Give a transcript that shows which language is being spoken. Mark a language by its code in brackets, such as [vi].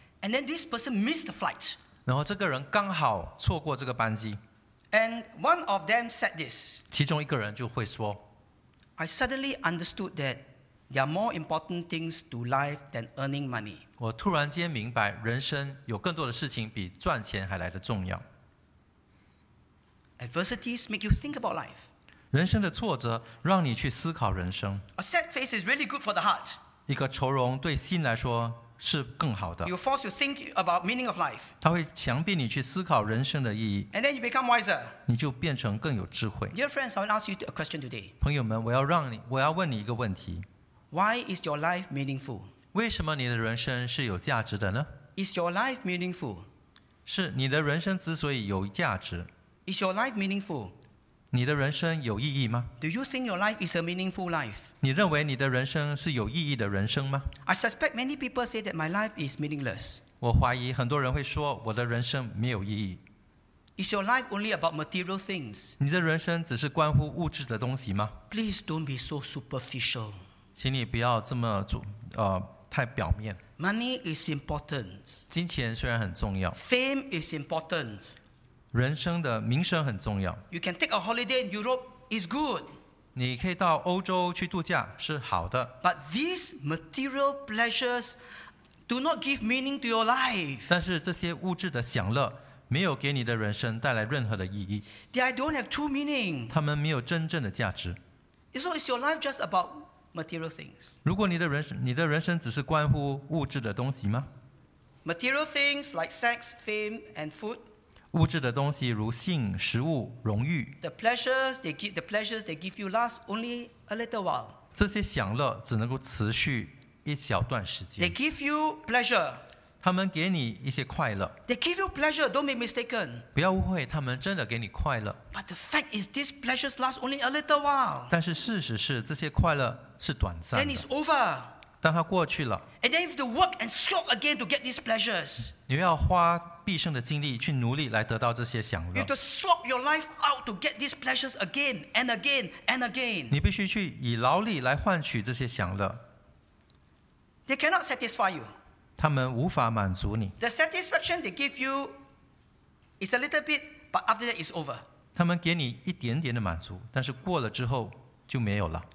[en] And then this person missed the flight. [zh] 然后这个人刚好错过这个班机。 [en] And one of them said this. [zh] 其中一个人就会说。 [en] I suddenly understood that there are more important things to life than earning money. [zh] 我突然间明白人生有更多的事情比赚钱还来得重要。 [en] Adversities make you think about life. [zh] 人生的挫折让你去思考人生。 [en] A sad face is really good for the heart. [zh] 一个愁容对心来说是更好的。 [en] You force you think about meaning of life. [zh] 它会强迫你去思考人生的意义。 [en] And then you become wiser. [zh] 你就变成更有智慧。 [en] Dear friends, I want to ask you a question today. [zh] 朋友们，我要问你一个问题。 [en] Why is your life meaningful? [zh] 为什么你的人生是有价值的呢 [en] ？Is your life meaningful? [zh] 是你的人生之所以有价值。 [en] Is your life meaningful? [zh] 你的人生有意义吗 [en] ？Do you think your life is a meaningful life? [zh] 你认为你的人生是有意义的人生吗 [en] ？I suspect many people say that my life is meaningless. [zh] 我怀疑很多人会说我的人生没有意义。 [en] Is your life only about material things? [zh] 你的人生只是关乎物质的东西吗 [en] ？Please don't be so superficial. [zh] 请你不要这么太表面。 [en] Money is important. [zh] 金钱虽然很重要。 [en] Fame is important. [zh] 人生的名声很重要。 [en] You can take a holiday in Europe, it's good. [zh] 你可以到欧洲去度假，是好的。 [en] But these material pleasures do not give meaning to your life. [zh] 但是这些物质的享乐没有给你的人生带来任何的意义。 [en] They don't have true meaning. [zh] 他们没有真正的价值。 [en] So is your life just about material things? [zh] 如果你的人生只是关乎物质的东西吗 [en] ？Material things like sex, fame, and food. [zh] 物质的东西如性、食物、荣誉。 [en] The pleasures they give you last only a little while. [zh] 这些享乐只能够持续一小段时间。 [en] They give you pleasure. [zh] 他们给你一些快乐。 [en] They give you pleasure. Don't be mistaken. [zh] 不要误会，他们真的给你快乐。 [en] But the fact is, these pleasures last only a little while. [zh] 但是事实是，这些快乐是短暂的。 [en] Then it's over. [zh] 当它过去了。 [en] And then you have to work and struggle again to get these pleasures. [zh] 你要花。毕生的精力去努力来得到这些享乐。 [en] You have to swap your life out to get these pleasures again and again and again. [zh] 你必须去以劳力来换取这些享乐。 [en] They cannot satisfy you. [zh] 他们无法满足你。 [en] The satisfaction they give you is a little bit, but after that it's over. [zh] 他们给你一点点的满足，但是过了之后就没有了。